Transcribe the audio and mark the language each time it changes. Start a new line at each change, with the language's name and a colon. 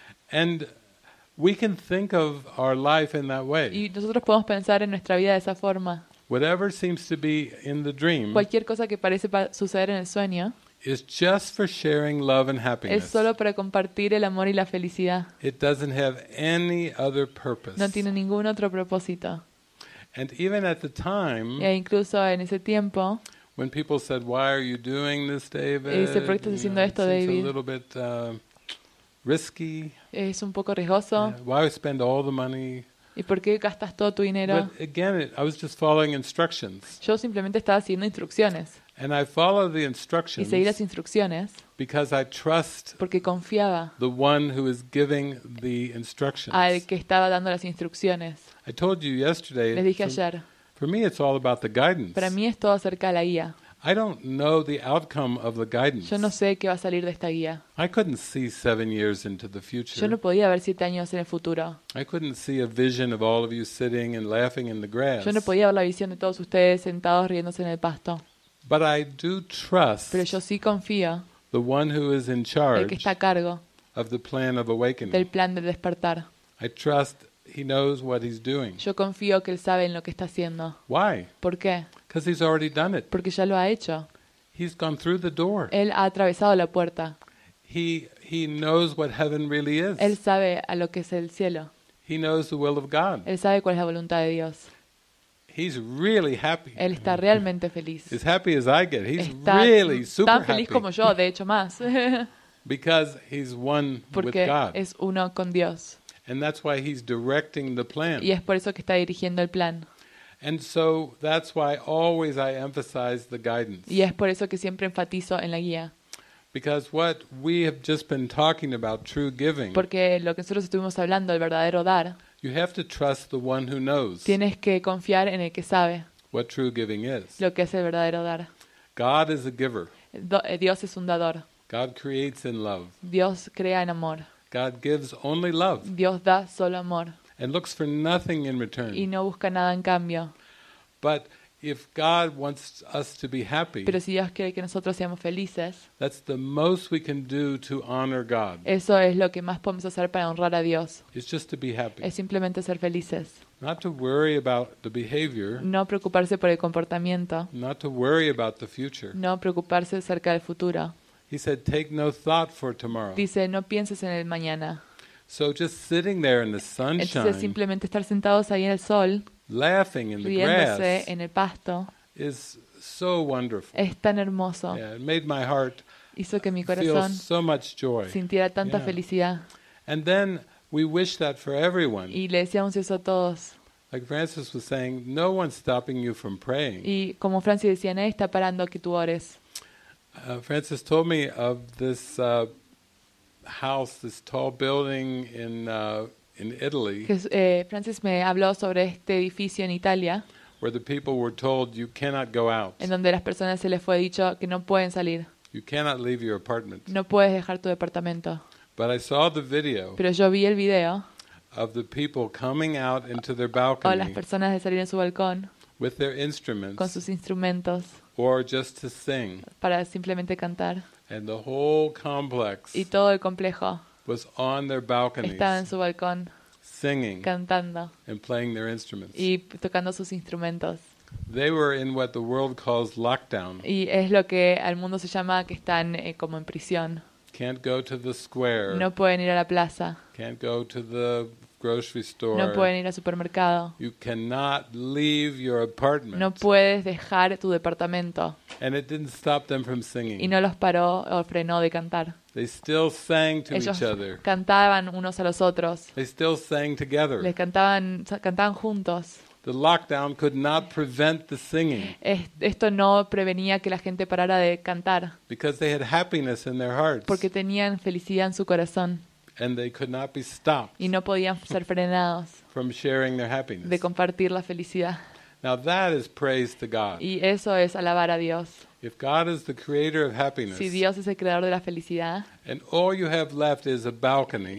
English: And we can think of our life in that way.
Spanish: Y nosotros podemos pensar en nuestra vida de esa forma.
English: Whatever seems to be in the dream.
Spanish: Cualquier cosa que parece suceder en el sueño.
English: Is just for sharing love and happiness.
Spanish: Es solo para compartir el amor y la felicidad.
English: It doesn't have any other purpose.
Spanish: No tiene ningún otro propósito.
English: And even at the time.
Spanish: E incluso en ese tiempo.
English: When people said, "Why are you doing this, David?"
Spanish: Y dice, ¿por qué estás haciendo esto, David?
English: It's a little bit risky.
Spanish: Es un poco riesgoso.
English: Yeah. Why spend all the money?
Spanish: ¿Y por qué gastas todo tu dinero?
English: But again, I was just following instructions.
Spanish: Yo simplemente estaba siguiendo instrucciones.
English: And I followed the instructions.
Spanish: Y seguí las instrucciones.
English: Because I trust.
Spanish: Porque confiaba.
English: The one who is giving the instructions.
Spanish: Al que estaba dando las instrucciones.
English: I told you yesterday.
Spanish: Les dije ayer.
English: For me, it's all about the guidance.
Spanish: Para mí es todo acerca de la guía.
English: I don't know the outcome of the guidance.
Spanish: Yo no sé qué va a salir de esta guía.
English: I couldn't see 7 years into the future.
Spanish: Yo no podía ver 7 años en el futuro.
English: I couldn't see a vision of all of you sitting and laughing in the grass.
Spanish: Yo no podía ver la visión de todos ustedes sentados riéndose en el pasto.
English: But I do trust.
Spanish: Pero yo sí confío.
English: The one who is in charge.
Spanish: El que está a cargo.
English: Of the plan of awakening.
Spanish: Del plan de despertar.
English: I trust. He knows what he's doing.
Spanish: Yo confío que él sabe en lo que está haciendo.
English: Why?
Spanish: ¿Por qué?
English: Because he's already done it.
Spanish: Porque ya lo ha hecho.
English: He's gone through the door.
Spanish: Él ha atravesado la puerta.
English: He knows what heaven really is.
Spanish: Él sabe a lo que es el cielo.
English: He knows the will of God.
Spanish: Él sabe cuál es la voluntad de Dios.
English: He's really happy.
Spanish: Él está realmente feliz.
English: As happy as I get. He's really super happy.
Spanish: Tan feliz como yo, de hecho más.
English: Because he's one
Spanish: Porque
English: with God.
Spanish: Es uno con Dios.
English: And that's why he's directing the plan.
Spanish: Y es por eso que está dirigiendo el plan.
English: And so that's why always I emphasize the guidance.
Spanish: Y es por eso que siempre enfatizo en la guía.
English: Because what we have just been talking about, true giving.
Spanish: Porque lo que nosotros estuvimos hablando, el verdadero dar.
English: You have to trust the one who knows.
Spanish: Tienes que confiar en el que sabe.
English: What true giving is.
Spanish: Lo que es el verdadero dar.
English: God is a giver.
Spanish: Dios es un dador.
English: God creates in love.
Spanish: Dios crea en amor.
English: God gives only love.
Spanish: Dios da solo amor.
English: And looks for nothing in return.
Spanish: Y no busca nada en cambio.
English: But if God wants us to be happy.
Spanish: Pero si Dios quiere que nosotros seamos felices.
English: That's the most we can do to honor God.
Spanish: Eso es lo que más podemos hacer para honrar a Dios.
English: It's just to be happy.
Spanish: Es simplemente ser felices.
English: Not to worry about the behavior.
Spanish: No preocuparse por el comportamiento.
English: Not to worry about the future.
Spanish: No preocuparse acerca del futuro.
English: He said, "Take no thought for tomorrow."
Spanish: Dice, no pienses en el mañana.
English: So just sitting there in the sunshine.
Spanish: Entonces simplemente estar sentados ahí en el sol.
English: Laughing in the grass.
Spanish: Riéndose en el pasto.
English: Is so wonderful.
Spanish: Es tan hermoso.
English: Yeah, it made my heart.
Spanish: Hizo que mi corazón
English: feel so much joy.
Spanish: Sintiera tanta
English: yeah.
Spanish: felicidad.
English: And then we wish that for everyone.
Spanish: Y le decíamos eso a todos.
English: Like Francis was saying, no one's stopping you from praying.
Spanish: Y como Francis decía, nadie está parando que tú ores.
English: Francis told me of this house, this tall building in Italy.
Spanish: Francis me habló sobre este edificio en Italia.
English: Where the people were told you cannot go out.
Spanish: En donde las personas se les fue dicho que no pueden salir.
English: You cannot leave your apartment.
Spanish: No puedes dejar tu departamento.
English: But I saw the video.
Spanish: Pero yo vi el video.
English: Of the people coming out into their balcony.
Spanish: O las personas de salir en su balcón.
English: With their instruments.
Spanish: Con sus instrumentos.
English: Or just to sing.
Spanish: Para simplemente cantar.
English: And the whole complex.
Spanish: Y todo el complejo.
English: Was on their balconies.
Spanish: Estaba en su balcón.
English: Singing.
Spanish: Cantando.
English: And playing their instruments.
Spanish: Y tocando sus instrumentos.
English: They were in what the world calls lockdown.
Spanish: Y es lo que al mundo se llama que están como en prisión.
English: Can't go to the square.
Spanish: No pueden ir a la plaza.
English: Can't go to the grocery store.
Spanish: No pueden ir al supermercado.
English: You cannot leave your apartment.
Spanish: No puedes dejar tu departamento.
English: And it didn't stop them from singing.
Spanish: Y no los paró o frenó de cantar.
English: They still sang to
Spanish: Ellos
English: each other.
Spanish: Cantaban unos a los otros.
English: They still sang together.
Spanish: Les cantaban juntos.
English: The lockdown could not prevent the singing.
Spanish: Esto no prevenía que la gente parara de cantar.
English: Because they had happiness in their hearts.
Spanish: Porque tenían felicidad en su corazón.
English: And they could not be stopped.
Spanish: Y no podían ser frenados.
English: From sharing their happiness.
Spanish: De compartir la felicidad.
English: Now that is praise to God.
Spanish: Y eso es alabar a Dios.
English: If God is the creator of happiness.
Spanish: Si Dios es el creador de la felicidad.
English: And all you have left is a balcony.